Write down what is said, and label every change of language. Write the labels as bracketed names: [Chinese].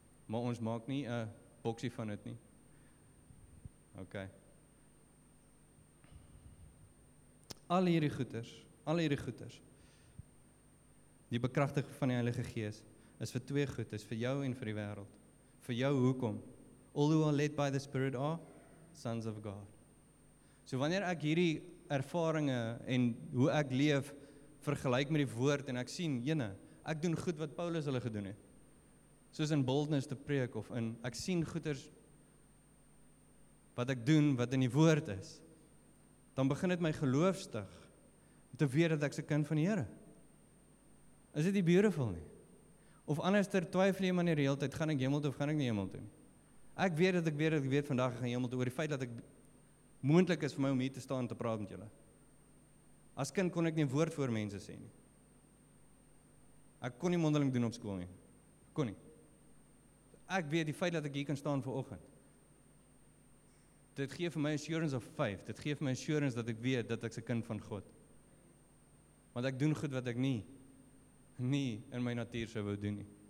[Afrikaans] Maar ons maak nie 'n boksie van dit nie. OK. Al hierdie goeders, die bekrachtiging van die Heilige Gees, is vir twee goed, is vir jou en vir die wêreld. Vir jou hoekom? [English] All who are led by the Spirit are sons of God. [Afrikaans] So wanneer ek hierdie ervaringe en hoe ek leef vergelyk met die woord en ek sien, jene, ek doen goed wat Paulus hulle gedoen het. Soos in boldness te preek of in, ek sien goeders wat ek doen, wat in die woord is. Dan begin het my geloof stig om te weet dat ek 'n kind van die Here. Is dit nie beautiful nie? Of anderster twyfel jy maar die hele tyd, gaan ek hemel toe of gaan ek nie hemel toe? Ek weet dat ek weet vandag ek gaan hemel toe oor die feit dat ek moontlik is vir my om hier te staan en te praat met julle. As kind kon ek nie woord voor mense sê nie. Ek kon nie mondeling doen op skool nie. Kon nie. Ek weet die feit dat ek hier kan staan vir oggend. Dit gee vir my [English] assurance of faith. [Afrikaans] Dit gee vir my assurance dat ek weet dat ek 'n kind van God. Want ek doen goed wat ek nie in my natuur sou wou doen nie.